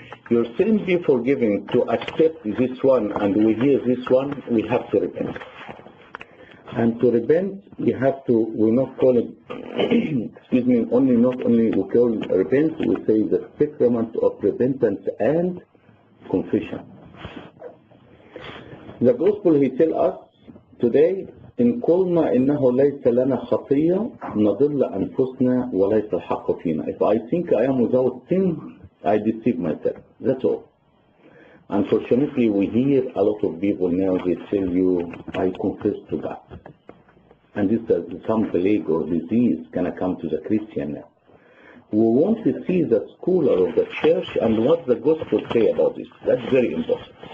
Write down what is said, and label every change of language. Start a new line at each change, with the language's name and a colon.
English: Your sin be forgiven. To accept this one and we hear this one, we have to repent. And to repent, you have to, we not call it, excuse me, only, not only we call repent, we say the sacrament of repentance and confession. The gospel, he tell us today,
Arabic: إن قلنا إنه ليس لنا خطية نضل أنفسنا وليس الحق فينا.
English: If I think I am without sin, I deceive myself. That's all. Unfortunately, we hear a lot of people now, they tell you, I confess to God. And this is some plague or disease can come to the Christian now. We want to see the scholar of the church and what the gospel say about this. That's very important.